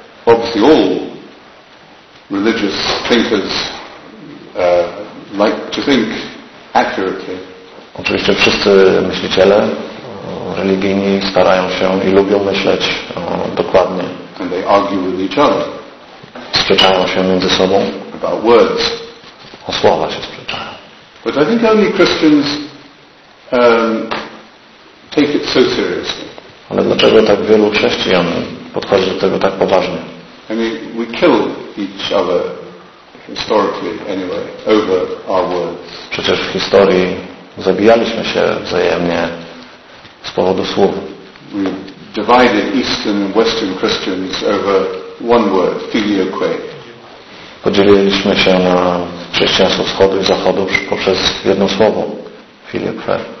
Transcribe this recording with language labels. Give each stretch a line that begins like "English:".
English: Obviously all religious thinkers like to think accurately.
Polish: Oczywiście wszyscy myśliciele religijni starają się i lubią myśleć dokładnie.
English: And they argue with each other.
Polish: Sprzeczają się między sobą.
English: About words.
Polish: O słowa się sprzeczają.
English: But I think only Christians take it so seriously.
Polish: Ale dlaczego tak wielu chrześcijan podchodzi do tego tak poważnie?
English: I mean, we kill each other historically anyway over our words.
Polish: Przecież w historii zabijaliśmy się wzajemnie z powodu słów.
English: We divided Eastern and Western Christians over one word, filioque.
Polish: Podzieliliśmy się na chrześcijaństwo wschodu i zachodu poprzez jedno słowo, filioque.